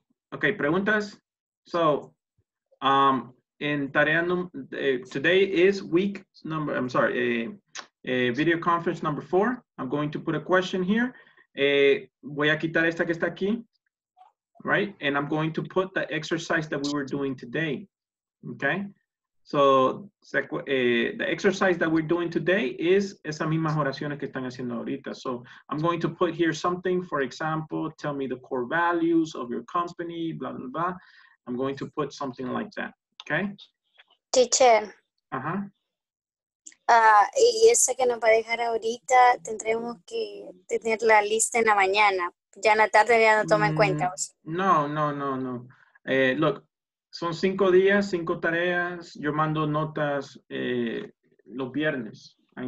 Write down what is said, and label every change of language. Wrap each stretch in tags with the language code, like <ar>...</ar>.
<en>Okay, preguntas? So, in tarea, today is week number, I'm sorry, video conference number 4. I'm going to put a question here.</en> <es>Voy a quitar esta que está aquí, right?</es> <en>And I'm going to put the exercise that we were doing today, okay? So, the exercise that we're doing today is</en> <es>esas mismas oraciones que están haciendo ahorita.</es> <en>So, I'm going to put here something, for example, tell me the core values of your company, blah, blah, blah. I'm going to put something like that, okay? Teacher. Uh-huh.</en> <es>Y esa que nos va a dejar ahorita, tendremos que tener la lista en la mañana, ya en la tarde ya no toma en cuenta. No. Look, son 5 días, 5 tareas, yo mando notas los viernes.</es>